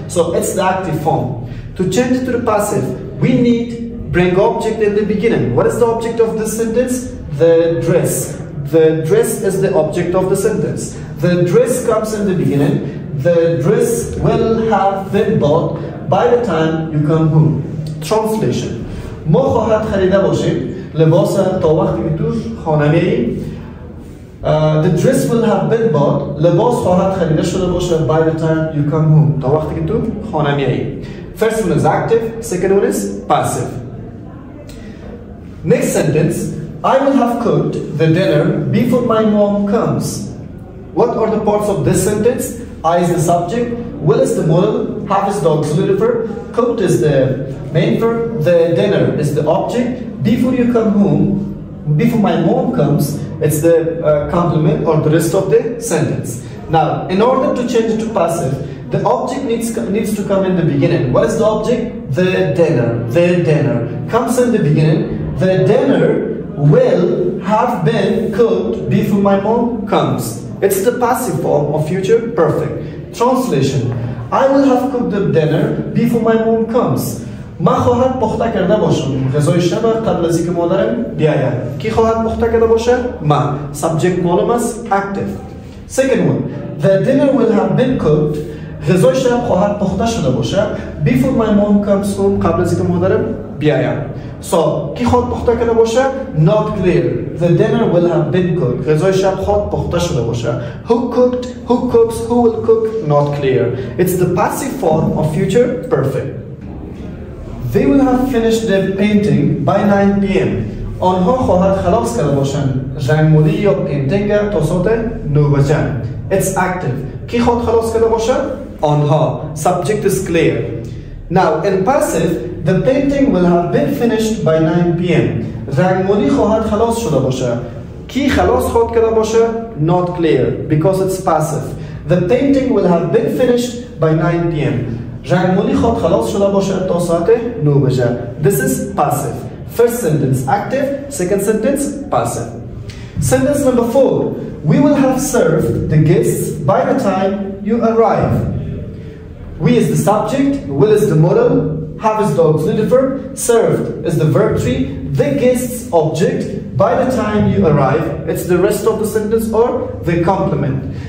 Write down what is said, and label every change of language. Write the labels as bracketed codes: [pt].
[en] So it's the active form. To change it to the passive, we need bring object in the beginning. What is the object of this sentence? The dress. The dress is the object of the sentence. The dress comes in the beginning. The dress will have been bought by the time you come home. Translation. [fa] مو خواهد خریده باشیم لباس تا وقتی که تو خانه میریم. [en] The dress will have been bought. [fa] لباس خواهد خریده شده باشه [en] by the time you come home. [fa] تا وقتی که تو خانه میریم. [en] First one is active, second one is passive. Next sentence, I will have cooked the dinner before my mom comes. What are the parts of this sentence? I is the subject, will is the modal, have is the auxiliary verb, cooked is the main verb, the dinner is the object. Before you come home, before my mom comes, it's the complement or the rest of the sentence. Now, in order to change it to passive, the object needs to come in the beginning. What is the object? The dinner. The dinner comes in the beginning. The dinner will have been cooked before my mom comes. It's the passive form of future perfect. Translation. I will have cooked the dinner before my mom comes. [fa] ما خواهد پخته کرده باشم غذای شب قبل از اینکه مادرم بیاید. کی خواهد پخته کرده باشه؟ ما. [en] Subject [fa] معلوم است. [en] Active. Second one. The dinner will have been cooked. [fa] غذای شب خواهد پخته شده باشه [en] before my mom comes home [fa] قبل از اینکه مادرم بیاید. So, کی خواهد پخته کرده باشه؟ [en] Not clear. The dinner will have been cooked. [fa] غذای شب خواهد پخته شده باشه. [en] Who cooked? Who cooks? Who will cook? Not clear. It's the passive form of future perfect. They will have finished the painting by 9 p.m. [fa] آنها خواهد خلاص کرده باشند رنگمالی یا پینتینگ تا ساعت 9 بجه. [en] It's active. [fa] کی خواهد خلاص کرده باشه؟ آنها. [en] Subject is clear. Now, in passive, the painting will have been finished by 9 p.m. [fa] رنگمالی خواهد خلاص شده باشه. کی خلاص خواهد کرده باشه؟ [en] Not clear, because it's passive. The painting will have been finished by 9 p.m. [fa] رنگمالی خواهد خلاص شده باشه تا ساعت 9 بجه. [en] This is passive. First sentence active, second sentence passive. Sentence number four. We will have served the guests by the time you arrive. We is the subject, will is the modal, have is the auxiliary verb, served is the verb tree, the guests object, by the time you arrive, it's the rest of the sentence or the complement.